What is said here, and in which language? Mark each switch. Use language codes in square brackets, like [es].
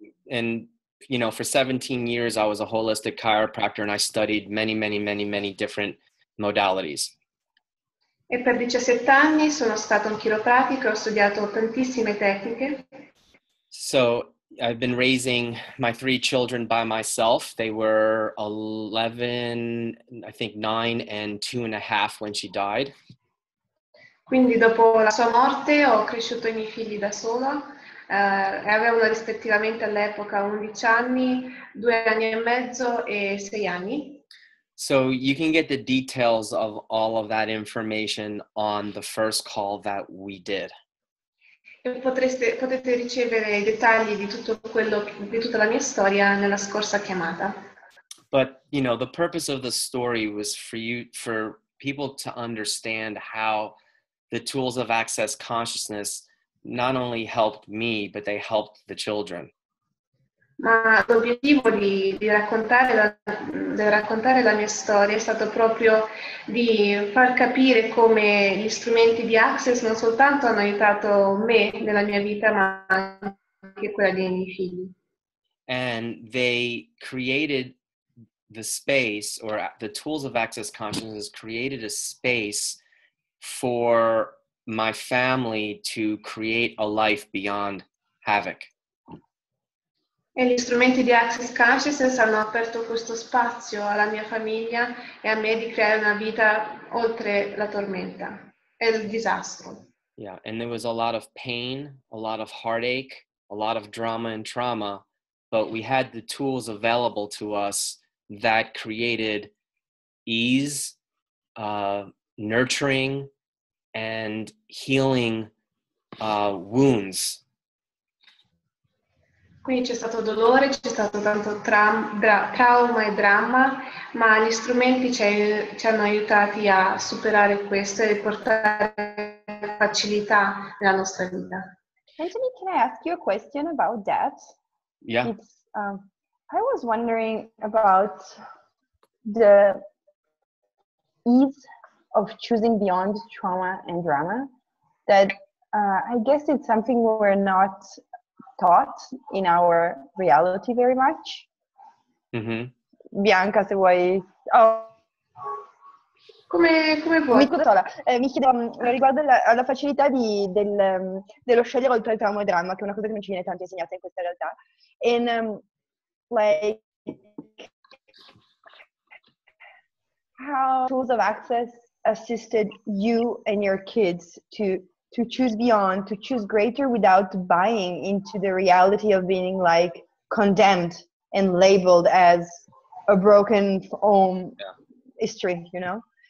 [en] And for 17 years, I was a holistic chiropractor and I studied many, many, many, many different modalities. [it] E per 17 anni sono stato un chiropratico e ho studiato tantissime tecniche. [en] So I've been raising my 3 children by myself. They were 11, I think 9 and 2.5 when she died. [it] Quindi dopo la sua morte ho cresciuto i miei figli da sola. Avevano rispettivamente all'epoca 11 anni, 2 anni e mezzo e 6 anni. [en] So you can get the details of all of that information on the first call that we did. [it] Potete ricevere i dettagli di tutto quello, di tutta la mia storia nella scorsa chiamata. [en] But you know, the purpose of the story was for people to understand how the tools of access consciousness not only helped me, but they helped the children. [it] Ma l'obiettivo di raccontare la mia storia è stato proprio di far capire come gli strumenti di Access non soltanto hanno aiutato me nella mia vita, ma anche quella dei miei figli. [en] And they created the space, or the tools of Access Consciousness created a space for my family to create a life beyond havoc. [it] E gli strumenti di Access Consciousness hanno aperto questo spazio alla mia famiglia e a me di creare una vita oltre la tormenta e il disastro. [en] Yeah, and there was a lot of pain, a lot of heartache, a lot of drama and trauma, but we had the tools available to us that created ease, nurturing, and healing wounds. [it] Quindi c'è stato dolore, c'è stato tanto trauma e dramma, ma gli strumenti ci hanno aiutati a superare questo e portare facilità nella nostra vita. [en] Anthony, can I ask you a question about death? Yeah. I was wondering about the ease of choosing beyond trauma and drama, that I guess it's something we're not taught in our reality very much. Mm-hmm. [it] Bianca, se vuoi... Oh. Come vuoi? Mi chiedo riguardo alla facilità dello scegliere oltre il trauma e dramma, che è una cosa che non ci viene tanto insegnata in questa realtà. [en] And, how tools of access assisted you and your kids to to choose beyond, to choose greater without buying into the reality of being like condemned and labeled as a broken home history, you know?